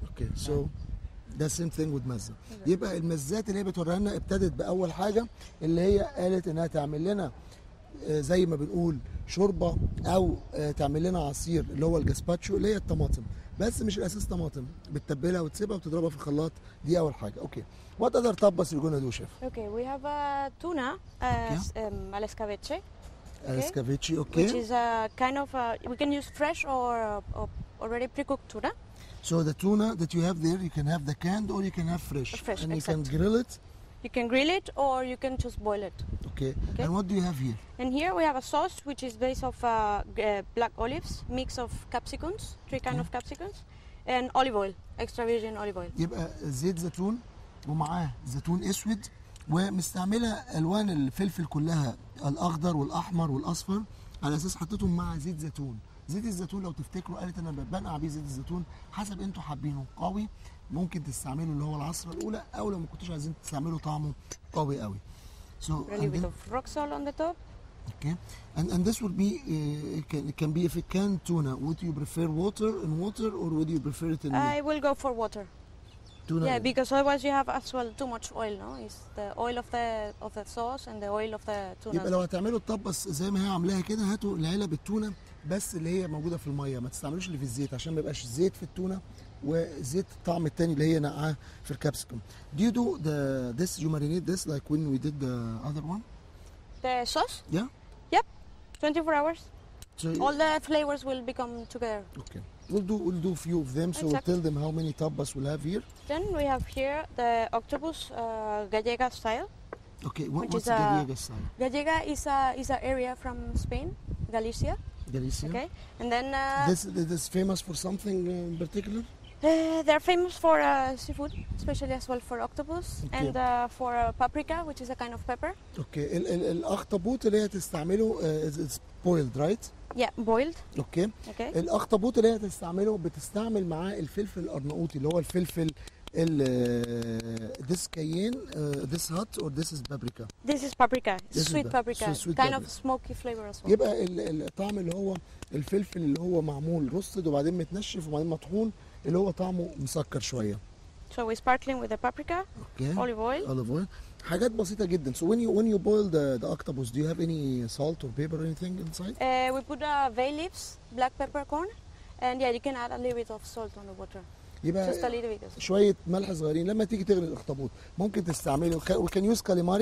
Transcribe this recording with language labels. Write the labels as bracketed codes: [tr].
[en] اوكي سو ذا سيم ثينج وذ مزة [ar] يبقى المزات اللي هي بتورينا ابتدت باول حاجه اللي هي قالت انها تعمل لنا زي ما بنقول شوربه او تعمل لنا عصير اللي هو الجاسباتشو اللي هي الطماطم بس مش الاساس طماطم بتتبلها وتسيبها وتضربها في الخلاط دي اول حاجه اوكي [en] What other tapas you gonna do chef okay we have tuna الاسكافيتشي Escaviche, okay. Which is a kind of a, we can use fresh or already pre-cooked tuna. So the tuna that you have there, you can have the canned or you can have fresh. Fresh, and exactly. And you can grill it. You can grill it or you can just boil it. Okay. okay. And what do you have here? And here we have a sauce which is based of black olives, mix of capsicums, three kind of capsicums, and olive oil, extra virgin olive oil. [ar] يبقى زيت زيتون ومعاه زيتون اسود. ومستعملة ألوان الفلفل كلها الأخضر والأحمر والأصفر على أساس حطيتهم مع زيت زيتون زيت الزيتون لو تفتكروا قالت أنا بنقع بيه زيت الزيتون حسب أنتوا حابينه قوي ممكن تستعمله اللي هو العصرة الأولى أو لو ما كنتوش عايزين تستعمله طعمه قوي قوي [en] So really with the rock salt on the top Okay and this would be can be if it can tuna would you prefer water in water or would you prefer it in I will go for water Tuna. Yeah, because otherwise you have as well too much oil, no? It's the oil of the sauce and the oil of the tuna. [ar] يبقى لو هتعملوا الطبس زي ما هي عاملاها كده هاتوا العلب التونة بس اللي هي موجودة في المية ما تستعملوش اللي في الزيت عشان ما يبقاش زيت في التونة وزيت الطعم التاني اللي هي نقعها في الكابسكوم. [en] Do you do this, you marinate this like when we did the other one? The sauce? Yeah. Yep, 24 hours. So All the flavors will become together. Okay. We'll do a few of them, so exactly. we'll tell them how many tapas we'll have here. Then we have here the octopus gallega style. Okay, what's gallega style? Gallega is an area from Spain, Galicia. Galicia. Okay, and then... This is famous for something in particular? They're famous for seafood, especially as well for octopus, okay. and for paprika, which is a kind of pepper. Okay, el octopus [ar] اللي هتستعمله [en] is boiled, right? Yeah, boiled. Okay. Okay. [ar] الأخطبوط اللي هتستعمله بتستعمل معاه الفلفل الأرناؤوطي اللي هو الفلفل ال [en] this cayenne, this hot or this is paprika. This is paprika. This sweet paprika. So sweet kind paprika. of smoky flavor as well. [ar] يبقى الطعم اللي هو الفلفل اللي هو معمول رصد وبعدين متنشف وبعدين مطحون اللي هو طعمه مسكر شوية. [en] So we sparkling with the paprika. Okay. Olive oil. [ar] حاجات بسيطة جدا. [en] So when you boil the octopus, do you have any salt or pepper or anything inside? We put bay leaves, black peppercorn, and yeah, you can add a little bit of salt on the water. [ar] يبقى [en] Just a little bit. [ar] شوية ملح صغيرين. لما تيجي تغلي الأخطبوط ممكن تستعمله. [en] We can use calamari.